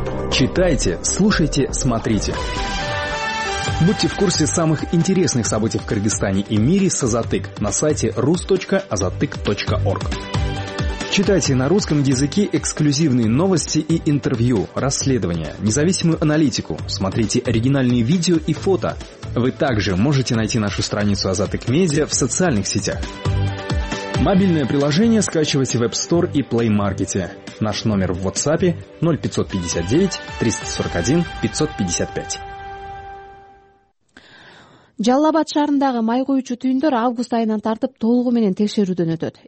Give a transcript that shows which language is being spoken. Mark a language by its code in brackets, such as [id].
[ru] Читайте, слушайте, смотрите. Будьте в курсе самых интересных событий в Кыргызстане и мире с Азатык на сайте rus.azatyk.org. Читайте на русском языке эксклюзивные новости и интервью, расследования, независимую аналитику. Смотрите оригинальные видео и фото. Вы также можете найти нашу страницу Азаттык Медиа в социальных сетях. Мобильное приложение скачивайте в App Store и Play Market. Наш номер в WhatsApp 0559-341-555. [ky] Жалал-Абад шаарындагы май куюучу түйүндөр август айынан тартып толугу менен текшерүүдөн өтөт.